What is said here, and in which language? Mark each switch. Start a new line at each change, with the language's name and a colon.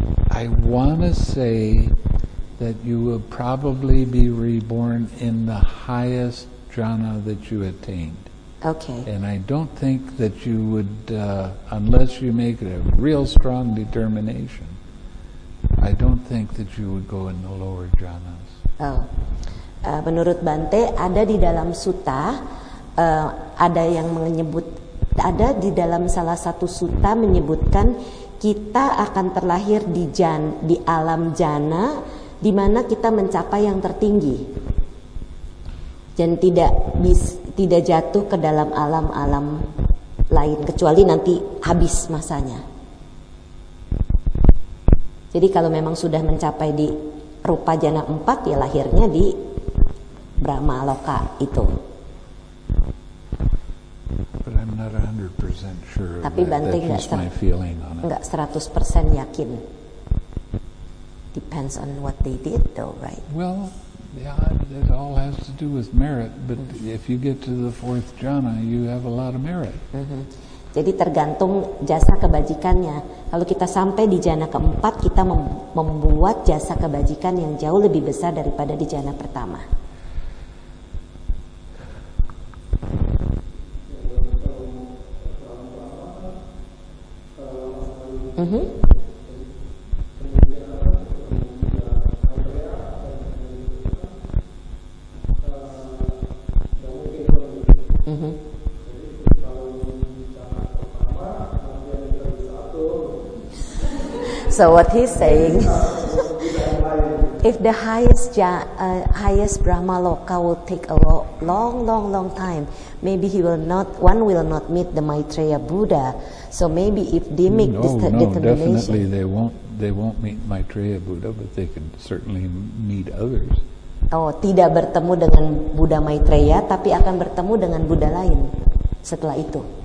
English: I want to say that you will probably be reborn in the highest jhana that you attained. Okay. And I don't think that you would, unless you make a real strong determination, I don't think that you would go in the lower jhanas.
Indonesian: Menurut Bante, ada di dalam sutta, ada yang menyebut, ada di dalam salah satu sutta menyebutkan kita akan terlahir di alam jhana, di mana kita mencapai yang tertinggi. Dan tidak jatuh ke dalam alam-alam lain kecuali nanti habis masanya. Jadi kalau memang sudah mencapai di rupa jana 4 ya lahirnya di Brahma Loka itu.
English: But I'm not 100% sure.
Indonesian: Tapi Bante enggak 100% yakin.
English: Depends on what they did though, right? Well, yeah, it all has to do with merit, but if you get to the fourth jhana, you have a lot of merit. Mm-hmm.
Indonesian: Jadi tergantung jasa kebajikannya. Kalau kita sampai di jhana keempat, kita membuat jasa kebajikan yang jauh lebih besar daripada di jhana pertama.
English: So what he's saying, if the highest highest Brahma Loka will take a long time, maybe one will not meet the Maitreya Buddha. So maybe if they make determination, definitely they won't meet Maitreya Buddha, but they can certainly meet others.
Indonesian: Oh, tidak bertemu dengan Buddha Maitreya, tapi akan bertemu dengan Buddha lain setelah itu.